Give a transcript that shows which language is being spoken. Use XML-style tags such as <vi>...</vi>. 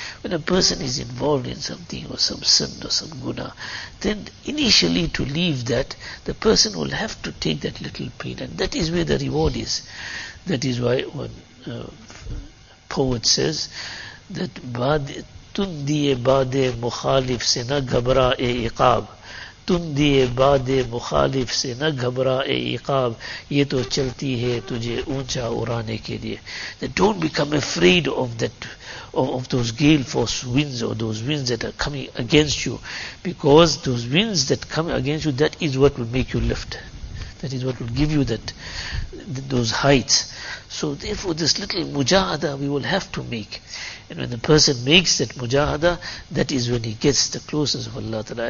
<en>When a person is involved in something or some sin or some guna, then initially to leave that, the person will have to take that little pain. And that is where the reward is. That is why one poet says that</en> <ur>tundiye bade mukhalif se na ghabra e iqab. تُن دیئے باد مخالف سے نہ گھبرا اے عقاب یہ تو چلتی ہے تجھے اونچا اُرانے کے لئے.</ur> <en>Don't become afraid of that, of those gale force winds or those winds that are coming against you, because those winds that come against you, that is what will make you lift, that is what will give you that those heights. So therefore this little mujahada we will have to make. And when the person makes that mujahada, that is when he gets the closest of Allah Ta'ala.</en>